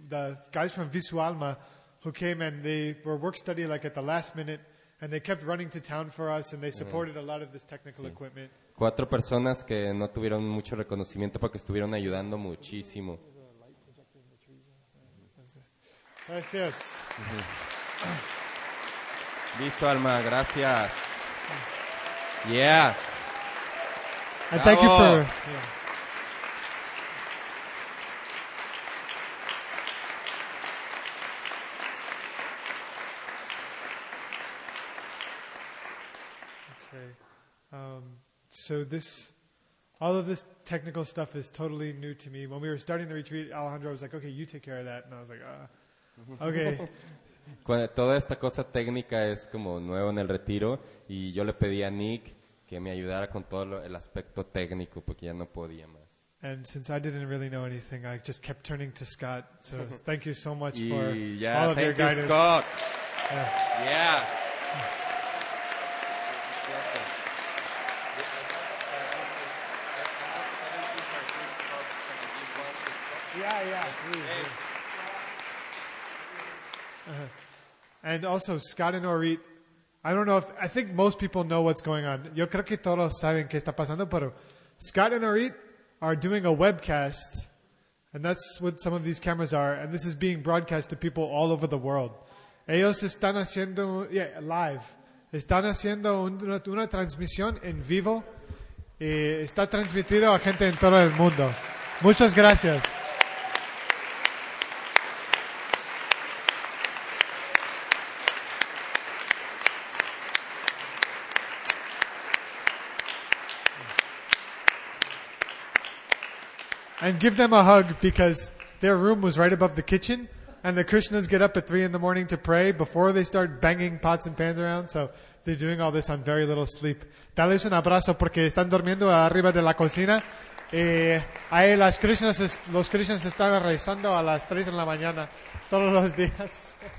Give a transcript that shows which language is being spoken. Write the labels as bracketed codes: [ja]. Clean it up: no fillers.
[en] The guys from Visualma who came and they were work study like at the last minute, and they kept running to town for us, and they supported a lot of this technical equipment. [es] 4 personas que no tuvieron mucho reconocimiento porque estuvieron ayudando muchísimo. Gracias. Visualma, gracias. Yeah. [en] And thank you for. Okay. So this, all of this technical stuff is totally new to me. When we were starting the retreat, Alejandro was like, okay, you take care of that. And I was like, Okay. [es] Toda esta cosa técnica es como nuevo en el retiro, y yo le pedí a Nick que me ayudara con todo el aspecto técnico porque ya no podía más. [en] And since I didn't really know anything, I just kept turning to Scott. So thank you so much for all of your you guidance. Scott. Yeah. And also Scott and Orit, I don't know if, I think most people know what's going on. [es] Yo creo que todos saben qué está pasando, pero [en] Scott and Orit are doing a webcast, and that's what some of these cameras are, and this is being broadcast to people all over the world. [es] Ellos están haciendo live. Están haciendo una transmisión en vivo y está transmitido a gente en todo el mundo. Muchas gracias. [en] And give them a hug because their room was right above the kitchen. And the Krishnas get up at 3 in the morning to pray before they start banging pots and pans around. So they're doing all this on very little sleep. [es] Dales un abrazo porque están durmiendo arriba de la cocina. Y ahí los Krishnas están rezando a las 3 en la mañana todos los días.